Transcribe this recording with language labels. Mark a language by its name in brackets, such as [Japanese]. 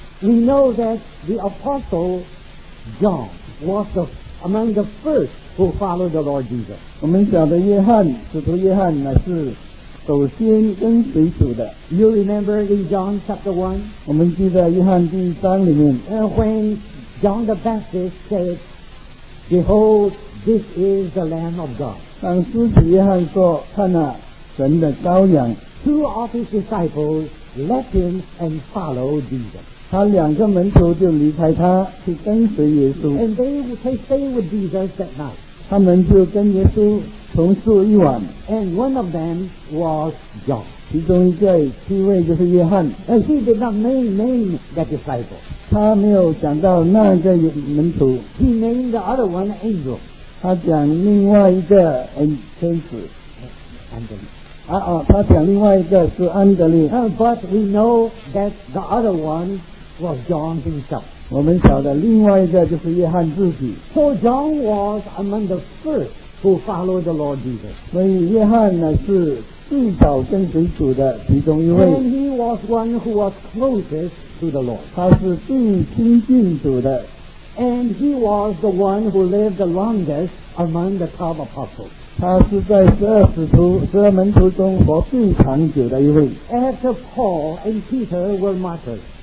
[English] We know that the Apostle John was among the first who followed the Lord Jesus. [Chinese] 我们晓得约翰，使徒约翰乃是首先跟随主的。 [English] You remember in John chapter 1? [Chinese] 我们记得约翰第一章里面。 [English] When John the Baptist said, Behold, this is the Lamb of God. [Chinese] 当使徒约翰说，看啊，神的羔羊。 [English] Two of his disciples left him and followed Jesus. [Chinese] 他两个门徒就离开他，去跟随耶稣。 [English] And they would stay with Jesus that night. [Chinese] 他们就跟耶稣同宿一晚。 [English] And one of them was John. [Chinese] 其中一位就是约翰。 [English] And he did not name that disciple. [Chinese] 他没有讲到那个门徒 [English] He named the other one Angel [Chinese] 他讲另外一个天使安德烈他讲另外一个是安德烈 [English] But we know that the other one was John himself [Chinese] 我们晓得另外一个就是约翰自己 [English] So John was among the first who followed the Lord Jesus [Chinese] 所以约翰呢是最早跟随主的其中一位。 [English] And he was one who was closest to the Lord. [Chinese] 他是最亲近主的。 [English] And he was the one who lived the longest among the 12 apostles. [Chinese] 他是在十二门徒中活最长久的一位。 [English] After Paul and Peter were martyred.